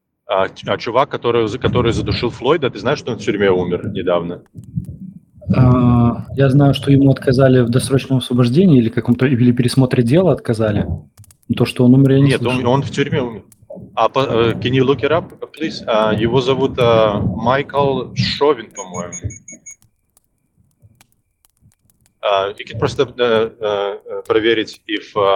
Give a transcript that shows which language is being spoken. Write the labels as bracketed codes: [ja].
[ru] А чувак, который задушил Флойда, ты знаешь, что он в тюрьме умер недавно? Я знаю, что ему отказали в досрочном освобождении или каком-то или пересмотре дела отказали. То, что он умер, я не слышал. Нет, он в тюрьме умер. [en] Can you look it up, please? [ru] Его зовут Майкл Шовин, по-моему. [en] You can [ru] просто проверить, [en] if...